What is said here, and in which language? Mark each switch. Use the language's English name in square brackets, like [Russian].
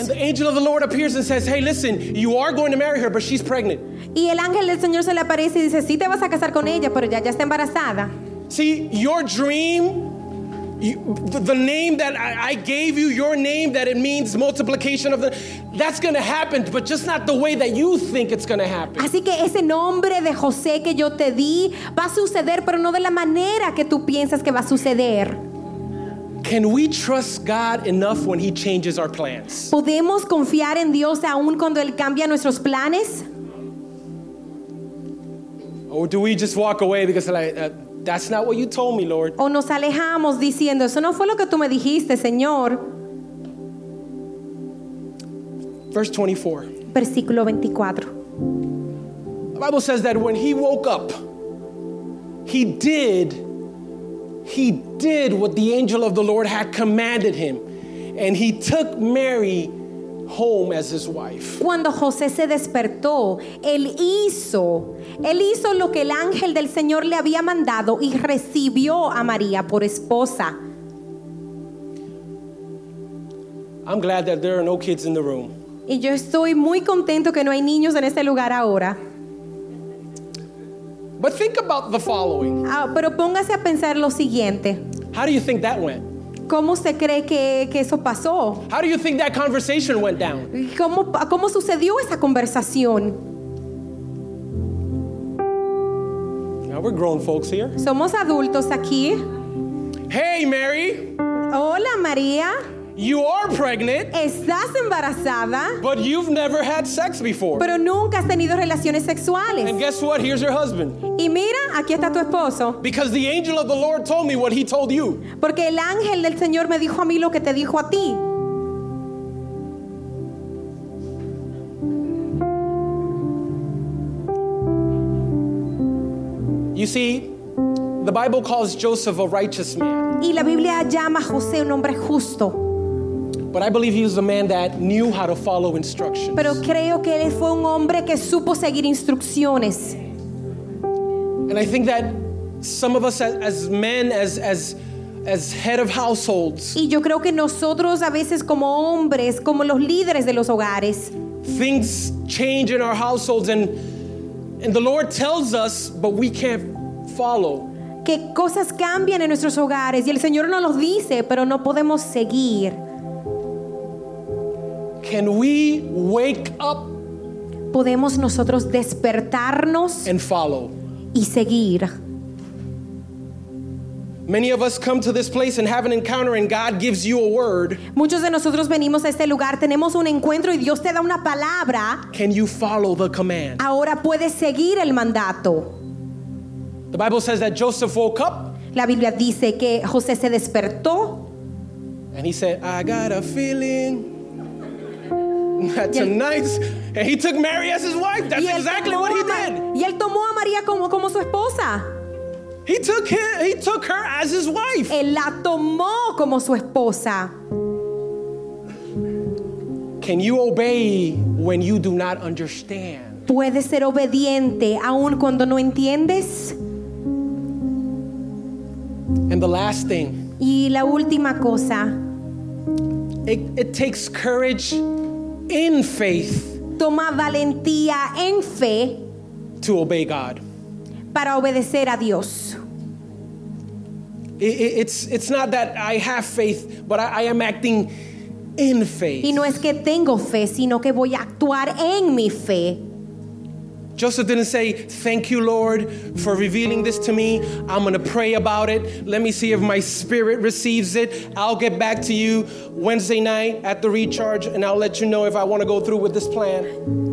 [English] And the angel of the Lord appears and says, "Hey, listen, you are going to marry her, but she's pregnant." [Spanish] Y el ángel del Señor se le aparece y dice, "Sí, te vas a casar con ella, pero ya está embarazada." [English] See, your dream, the name that I gave you, your name, that it means multiplication of the, that's going to happen, but just not the way that you think it's going to happen. [Spanish] Así que ese nombre de José que yo te di va a suceder, pero no de la manera que tú piensas que va a suceder. [English] Can we trust God enough when he changes our plans? [Spanish] ¿Podemos confiar en Dios aún cuando él cambia nuestros planes? [English] Or do we just walk away because like, that's not what you told me, Lord. [Spanish] O nos alejamos diciendo, eso no fue lo que tú me dijiste, Señor. [English] Verse 24. [Spanish] Versículo 24. [English] The Bible says that when he woke up, he did what the angel of the Lord had commanded him, and he took Mary home as his wife. [Spanish] Cuando José se despertó, él hizo lo que el ángel del Señor le había mandado y recibió a María por esposa. [English] I'm glad that there are no kids in the room. [Spanish] Y yo estoy muy contento que no hay niños en este lugar ahora. [English] But think about the following. [Spanish] Pero póngase a pensar lo siguiente. [English] How do you think that went? [Spanish] ¿Cómo se cree que eso pasó? [English] How do you think that conversation went down? [Spanish] ¿Cómo sucedió esa conversación? [English] Now we're grown folks here. [Spanish] Somos adultos aquí. [English] Hey, Mary. [Spanish] Hola, María. [English] You are pregnant. [Spanish] Estás embarazada. [English] But you've never had sex before. [Spanish] Pero nunca has tenido relaciones sexuales. [English] And guess what? Here's your husband. [Spanish] Y mira, aquí está tu esposo. [English] Because the angel of the Lord told me what he told you. [Spanish] Porque el ángel del Señor me dijo a mí lo que te dijo a ti. [English] You see, the Bible calls Joseph a righteous man. [Spanish] Y la Biblia llama a José un hombre justo. [English] But I believe he was a man that knew how to follow instructions. [Spanish] Pero creo que él fue un hombre que supo seguir instrucciones. [English] And I think that some of us as men, as head of households. [Spanish] Y yo creo que nosotros a veces como hombres, como los líderes de los hogares. [English] Things change in our households and the Lord tells us, but we can't follow. [Spanish] Que cosas cambian en nuestros hogares y el Señor nos los dice, pero no podemos seguir. [English] Can we wake up [Spanish] podemos nosotros despertarnos [English] and follow. [Spanish] Y seguir. [English] Many of us come to this place and have an encounter and God gives you a word. [Spanish] Muchos de nosotros venimos a este lugar, tenemos un encuentro y Dios te da una palabra. [English] Can you follow the command? [Spanish] Ahora puedes seguir el mandato. [English] The Bible says that Joseph woke up. [Spanish] La Biblia dice que José se despertó. [English] And he said, I got a feeling that tonight. And he took Mary as his wife. That's exactly what he did. [Spanish] Y él tomó a María como su esposa. [English] He took her as his wife. [Spanish] Él la tomó como su esposa. [English] Can you obey when you do not understand? [Spanish] ¿Puedes ser obediente aun cuando no entiendes? [English] And the last thing. [Spanish] Y la última cosa. [English] It takes courage in faith. [Spanish] Toma valentía en fe. [English] To obey God. [Spanish] Para obedecer a Dios. [English] It's not that I have faith, but I am acting in faith. [Spanish] Y no es que tengo fe, sino que voy a actuar en mi fe. [English] Joseph didn't say, thank you, Lord, for revealing this to me. I'm going to pray about it. Let me see if my spirit receives it. I'll get back to you Wednesday night at the recharge, and I'll let you know if I want to go through with this plan.